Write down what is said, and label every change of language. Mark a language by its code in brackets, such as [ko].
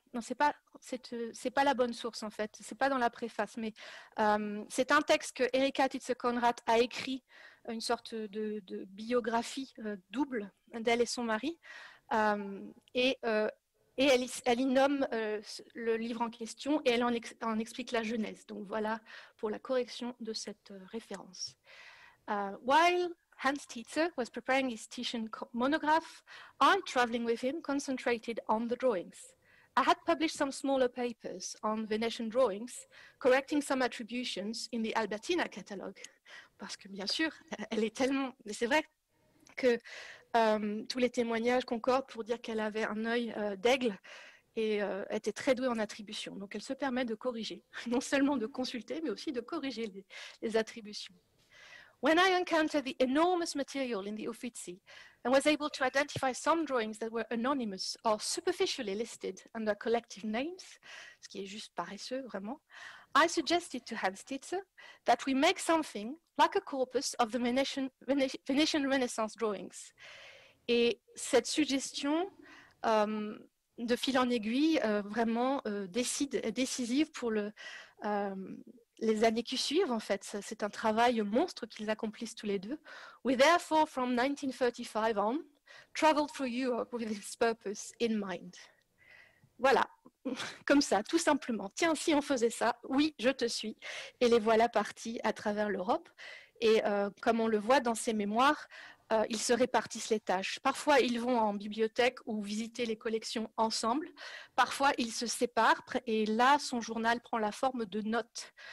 [fr] Non, c'est pas la bonne source en fait. C'est pas dans la préface, mais c'est un texte que Erika Tietze-Konrath a écrit, une sorte de biographie double d'elle et son mari, et elle y nomme le livre en question et elle en explique la genèse. Donc voilà pour la correction de cette référence. [en] While Hans Tietze was preparing his Titian monograph, I'm traveling with him, concentrated on the drawings. I had published some smaller papers on Venetian drawings, correcting some attributions in the Albertina catalogue. [fr] Parce que bien sûr, elle est tellement... Mais c'est vrai que tous les témoignages concordent pour dire qu'elle avait un œil d'aigle et était très douée en attribution. Donc elle se permet de corriger, non seulement de consulter, mais aussi de corriger les attributions. [en] When I encountered the enormous material in the Uffizi and was able to identify some drawings that were anonymous or superficially listed under collective names, [fr] ce qui est juste paresseux, vraiment, [en] I suggested to Hans Tietze that we make something like a corpus of the Venetian Renaissance drawings. [fr] Et cette suggestion de fil en aiguille, vraiment décisive pour le... les années qui suivent, en fait, c'est un travail monstre qu'ils accomplissent tous les deux. [en] We therefore, from 1935 on, traveled through Europe with this purpose in mind. [fr] Voilà, comme ça, tout simplement. Tiens, si on faisait ça, oui, je te suis. Et les voilà partis à travers l'Europe. Et comme on le voit dans ses mémoires, ils se répartissent les tâches. Parfois, ils vont en bibliothèque ou visiter les collections ensemble. Parfois, ils se séparent et là, son journal prend la forme de notes.